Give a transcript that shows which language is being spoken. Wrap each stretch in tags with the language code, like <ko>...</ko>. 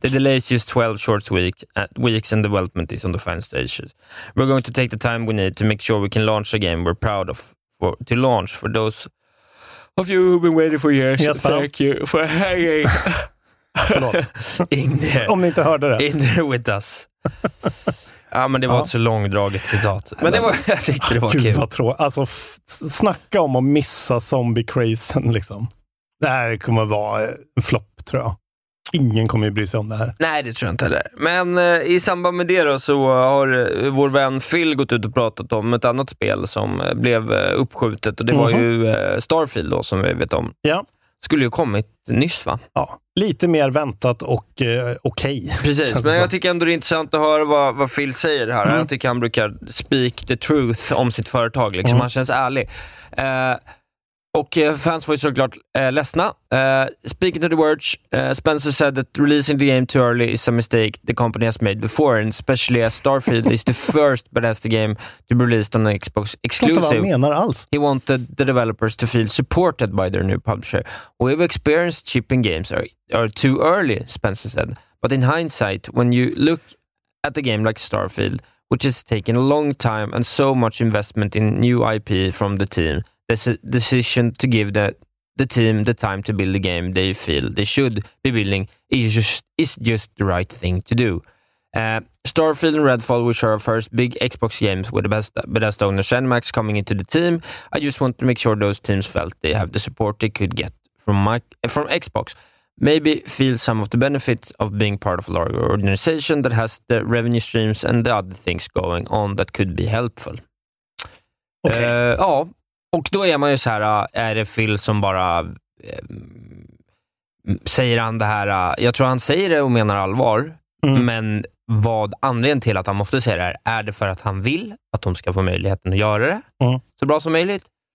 <en>The delay is just 12 short weeks and development is on the final stages. We're going to take the time we need to make sure we can launch a game we're proud of to launch for those of you who've been waiting for years. Yes, thank you for hanging in there.</en> <sv>Om ni inte hörde det.</sv> <en>In there with us.</en> <sv>Ja, men det var ett så långdraget citat. Men det var, jag tyckte det var gud, kul. Vad alltså, snacka om att missa zombie-crazen liksom. Det här kommer vara en flopp, tror jag. Ingen kommer ju bry sig om det här. Nej, det tror jag inte heller. Men i samband med det då, så har vår vän Phil gått ut och pratat om ett annat spel som blev uppskjutet. Och det var ju Starfield då, som vi vet om. Ja. Skulle ju kommit nyss, va? Ja, lite mer väntat och okej.</sv> <en>Okay,</en> <sv>precis, men jag tycker ändå det är intressant att höra vad Phil säger här. Mm. Jag tycker han brukar</sv> <en>speak the truth</en> <sv>om sitt företag. Liksom. Mm. Han känns ärlig. Och fans var ju såklart ledsna.</sv> <en>Speaking of the words, Spencer said that releasing the game too early is a mistake the company has made before, and especially as Starfield is the first Bethesda game to be released on an Xbox exclusive.</en> <sv>Jag vet inte vad han menar alls.</sv> <en>He wanted the developers to feel supported by their new publisher. We've experienced shipping games are too early, Spencer said. But in hindsight, when you look at a game like Starfield, which has taken a long time and so much investment in new IP from the team, this decision to give the team the time to build the game they feel they should be building is just the right thing to do. Starfield and Redfall, which are our first big Xbox games with the Bethesda owner Zenimax coming into the team, I just want to make sure those teams felt they have the support they could get from Xbox. Maybe feel some of the benefits of being part of a larger organization that has the revenue streams and the other things going on that could be helpful. Okay.</en> <sv>Ja. Och då är man ju så här, är det Phil som bara säger han det här? Jag tror han säger det och menar allvar. Mm. Men vad anledningen till att han måste säga det här, är det för att han vill att de ska få möjligheten att göra det så bra som möjligt?</sv>